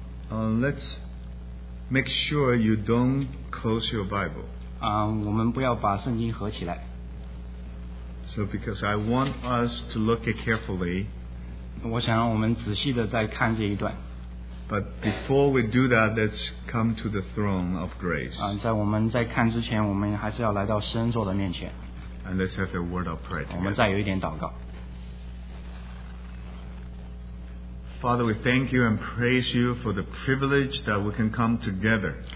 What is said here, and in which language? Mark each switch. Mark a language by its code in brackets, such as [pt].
[en] Let's make sure you don't close your Bible. [zh] 我们不要把圣经合起来。 [en] So because I want us to look it carefully. [zh] 我想让我们仔细地再看这一段。 [en] But before we do that, let's come to the throne of grace. [zh] 在我们再看之前, 我们还是要来到神座的面前。 [en] And let's have a word of prayer together. [zh] 我们再有一点祷告。 [en] Father, we thank you and praise you for the privilege that we can come together.